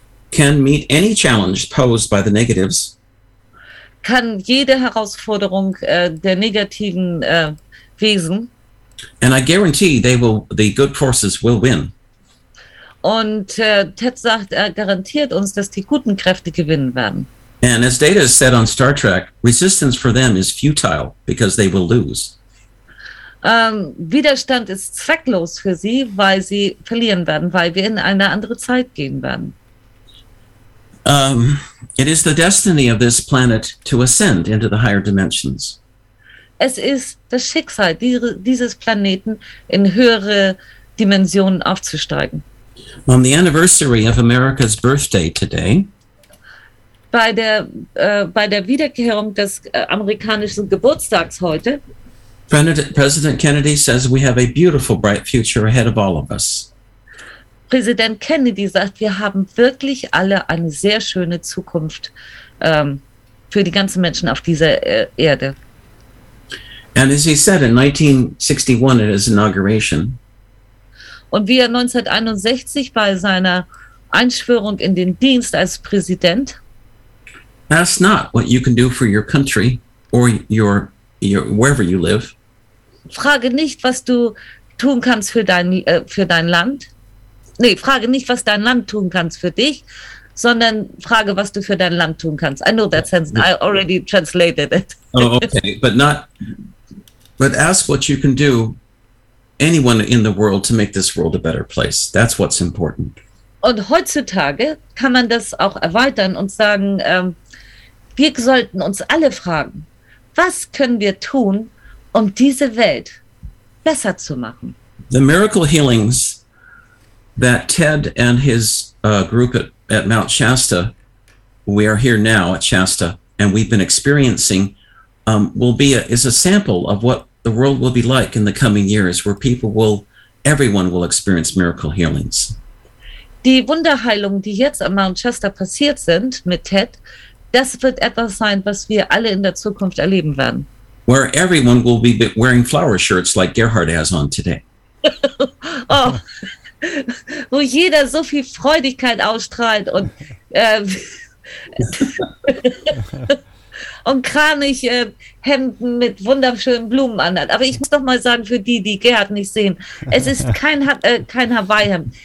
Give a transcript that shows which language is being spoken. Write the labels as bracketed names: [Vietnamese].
[English] Can meet any challenge posed by the negatives. [German] Kann jede Herausforderung der negativen Wesen. [English] And I guarantee the good forces will win. [German] Und Ted sagt, er garantiert uns, dass die guten Kräfte gewinnen werden. [English] And as Data said on Star Trek, resistance for them is futile because they will lose. [German] Widerstand ist zwecklos für sie, weil sie verlieren werden, weil wir in eine andere Zeit gehen werden. [English] It is the destiny of this planet to ascend into the higher dimensions. [German] Es ist das Schicksal dieses Planeten, in höhere Dimensionen aufzusteigen. [English] On the anniversary of America's birthday today, [German] bei der Wiederkehrung des amerikanischen Geburtstags heute, [English] President Kennedy says we have a beautiful, bright future ahead of all of us. [German] Präsident Kennedy sagt, wir haben wirklich alle eine sehr schöne Zukunft für die ganzen Menschen auf dieser Erde. [English] And as he said in 1961 at his inauguration. [German] Und wie er 1961 bei seiner Einschwörung in den Dienst als Präsident. [English] Ask not what you can do for your country or your wherever you live. [German] Frage nicht, was du tun kannst für dein Land. Nee, frage nicht, was dein Land tun kannst für dich, sondern frage, was du für dein Land tun kannst. [English] I know that sense. I already translated it. Oh, okay. But ask what you can do, anyone in the world, to make this world a better place. That's what's important. [German] Und heutzutage kann man das auch erweitern und sagen, wir sollten uns alle fragen, was können wir tun, um diese Welt besser zu machen? [English] The miracle healings that Ted and his group at Mount Shasta, we are here now at Shasta, and we've been experiencing, is a sample of what the world will be like in the coming years, where everyone will experience miracle healings. [German] Die Wunderheilungen, die jetzt am Mount Shasta passiert sind mit Ted, das wird etwas sein, was wir alle in der Zukunft erleben werden. [English] Where everyone will be wearing flower shirts like Gerhard has on today. Oh. [German] Wo jeder so viel Freudigkeit ausstrahlt und und Kranichhemden mit wunderschönen Blumen anhat. Aber ich muss doch mal sagen, für die Gerhard nicht sehen, es ist kein Hawaii-Hemd.